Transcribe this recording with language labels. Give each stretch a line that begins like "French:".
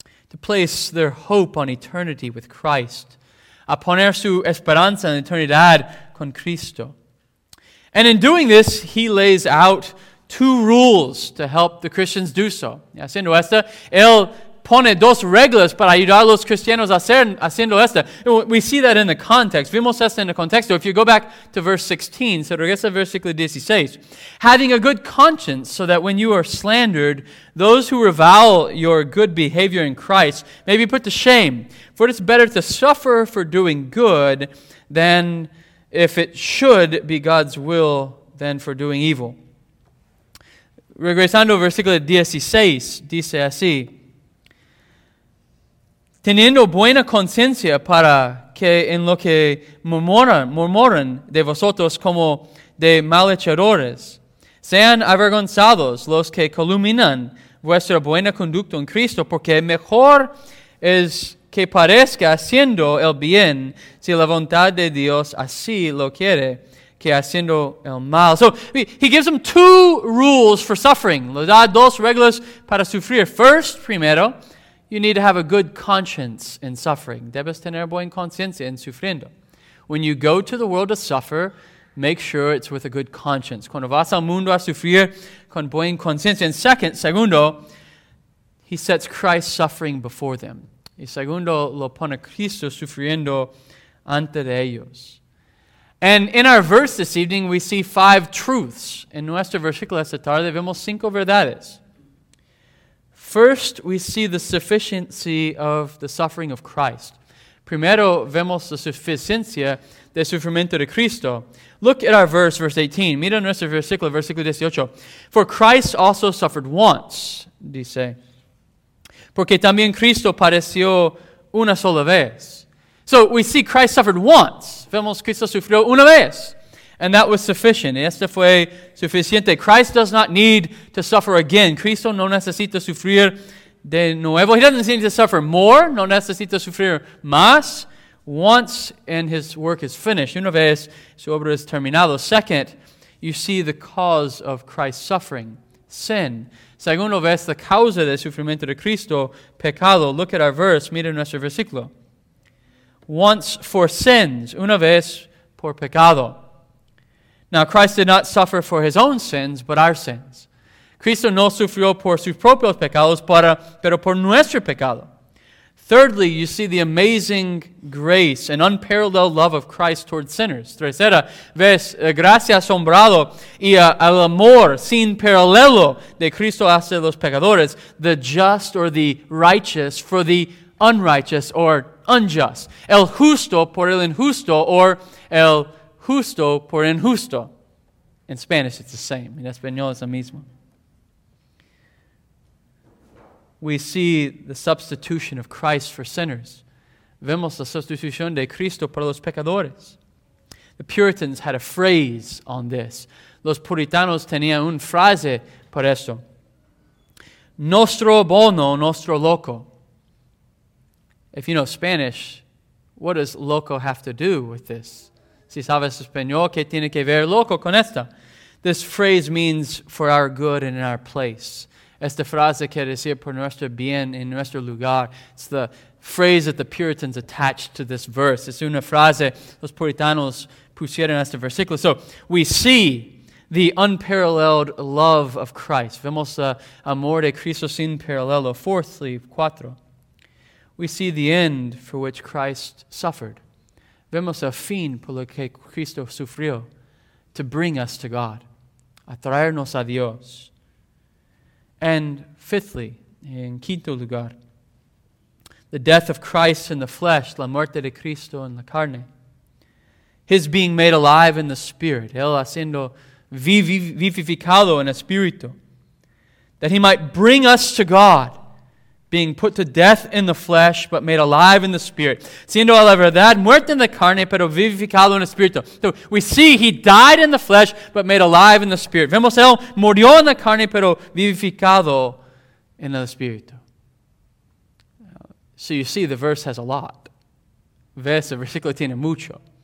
English: To place their hope on eternity with Christ.
Spanish: A poner su esperanza en eternidad con Cristo.
English: And in doing this, he lays out two rules to help the Christians do so.
Spanish: Y haciendo esto, él pone dos reglas para ayudar a los cristianos a hacer haciendo esto.
English: We see that in the context.
Spanish: Vimos esto en el contexto.
English: If you go back to verse 16,
Spanish: se regresa al versículo 16.
English: Having a good conscience so that when you are slandered, those who revile your good behavior in Christ may be put to shame. For it's better to suffer for doing good than if it should be God's will than for doing evil.
Spanish: Regresando al versículo 16, dice así. Teniendo buena conciencia para que en lo que murmuran de vosotros como de malhechores, sean avergonzados los que calumnian vuestra buena conducta en Cristo, porque mejor es que parezca haciendo el bien si la voluntad de Dios así lo quiere que haciendo el mal.
English: So he gives them two rules for suffering.
Spanish: Le da dos reglas para sufrir.
English: First, primero, you need to have a good conscience in suffering.
Spanish: Debes tener buena conciencia en sufriendo.
English: When you go to the world to suffer, make sure it's with a good conscience.
Spanish: Cuando vas al mundo a sufrir con buena conciencia.
English: And segundo, he sets Christ suffering before them.
Spanish: Y segundo, lo pone Cristo sufriendo ante de ellos.
English: And in our verse this evening, we see five truths.
Spanish: En nuestro versículo esta tarde, vemos cinco verdades.
English: First, we see the sufficiency of the suffering of Christ.
Spanish: Primero, vemos la suficiencia del sufrimiento de Cristo.
English: Look at our verse, verse 18.
Spanish: Mira nuestro versículo, versículo 18.
English: For Christ also suffered once, dice.
Spanish: Porque también Cristo padeció una sola vez.
English: So we see Christ suffered once.
Spanish: Vemos Cristo sufrió una vez.
English: And that was sufficient.
Spanish: Este fue suficiente.
English: Christ does not need to suffer again.
Spanish: Cristo no necesita sufrir de nuevo.
English: He doesn't need to suffer more.
Spanish: No necesita sufrir más.
English: Once and his work is finished.
Spanish: Una vez su obra es terminado.
English: Second, you see the cause of Christ's suffering. Sin.
Spanish: Segundo ves la causa del sufrimiento de Cristo. Pecado.
English: Look at our verse.
Spanish: Mira nuestro versículo.
English: Once for sins.
Spanish: Una vez por pecado.
English: Now, Christ did not suffer for his own sins, but our sins.
Spanish: Cristo no sufrió por sus propios pecados, pero por nuestro pecado.
English: Thirdly, you see the amazing grace and unparalleled love of Christ towards sinners.
Spanish: Tercera, ves gracia asombrado y el amor sin paralelo de Cristo hacia los pecadores,
English: the just or the righteous for the unrighteous or unjust.
Spanish: El justo por el injusto or el justo por injusto.
English: In Spanish, it's the same.
Spanish: En español, es lo mismo.
English: We see the substitution of Christ for sinners.
Spanish: Vemos la sustitución de Cristo para los pecadores.
English: The Puritans had a phrase on this.
Spanish: Los puritanos tenían una frase por esto.
Latin: Nostro bono, nostro loco.
English: If you know Spanish, what does loco have to do with this?
Spanish: Si sabes español, ¿qué tiene que ver loco con esto?
English: This phrase means for our good and in our place.
Spanish: Esta frase quiere decir por nuestro bien en nuestro lugar.
English: It's the phrase that the Puritans attached to this verse.
Spanish: Es una frase los puritanos pusieron a este versículo.
English: So we see the unparalleled love of Christ.
Spanish: Vemos el amor de Cristo sin paralelo.
English: Fourthly, cuatro. We see the end for which Christ suffered.
Spanish: Vemos el fin por lo que Cristo sufrió.
English: To bring us to God.
Spanish: A traernos a Dios.
English: And fifthly,
Spanish: en quinto lugar,
English: the death of Christ in the flesh,
Spanish: la muerte de Cristo en la carne.
English: His being made alive in the Spirit,
Spanish: él haciendo vivificado en espíritu,
English: that he might bring us to God, being put to death in the flesh, but made alive in the Spirit.
Spanish: Siendo a la verdad, muerto en la carne, pero vivificado en el Espíritu.
English: So we see he died in the flesh, but made alive in the Spirit.
Spanish: Vemos él murió en la carne, pero vivificado en el Espíritu.
English: So you see, the verse has a lot.
Spanish: Ves, el versículo tiene mucho.